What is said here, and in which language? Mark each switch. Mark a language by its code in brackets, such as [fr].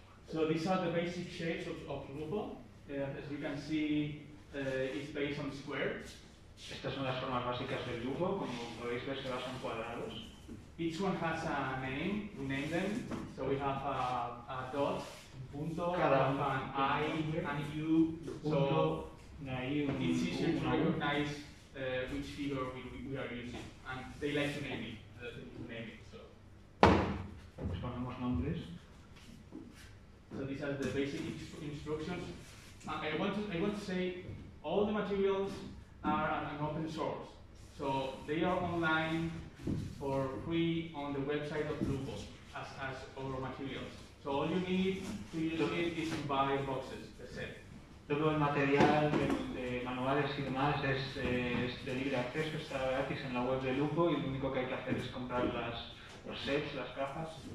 [en] So these are the basic shapes of Lupo. As you can see, it's based on squares. [es] Estas son las formas básicas del Lupo, como podéis ver, se basan cuadrados. [en] Each one has a name, we name them. So we have a dot, [es] un punto, cada un [en] an I, an U, [es] punto, [en] so [es] un, [en] it's easier to recognize which figure we are using. And they like to name it. [es] Les ponemos nombres. [en] So these are the basic instructions. I want to say all the materials are an open source. So they are online for free on the website of Lupo as our materials. So all you need to use it is to buy boxes, the set. [es] Todo el material de manuales y demás es de libre acceso, está gratis en la web de Lupo y lo único que hay que hacer es comprar los sets, las cajas.